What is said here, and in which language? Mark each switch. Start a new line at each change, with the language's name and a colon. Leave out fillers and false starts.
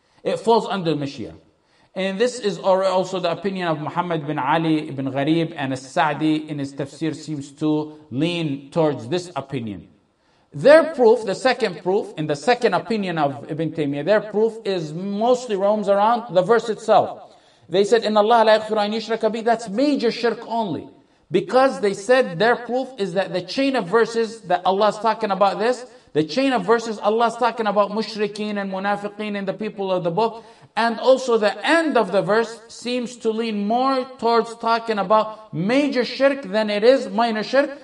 English: It falls under Mashiach. And this is also the opinion of Muhammad bin Ali ibn Gharib, and As-Sa'di in his tafsir seems to lean towards this opinion. Their proof, the second proof, in the second opinion of Ibn Taymiyyah, their proof is mostly roams around the verse itself. They said,
Arabic: إِنَّ اللَّهَ لَا يَغْفِرُ أَنْ يُشْرَكَ بِهِ,
English: that's major shirk only. Because they said their proof is that the chain of verses that Allah is talking about this, the chain of verses Allah is talking about mushrikeen and munafiqeen and the people of the book, and also the end of the verse seems to lean more towards talking about major shirk than it is minor shirk.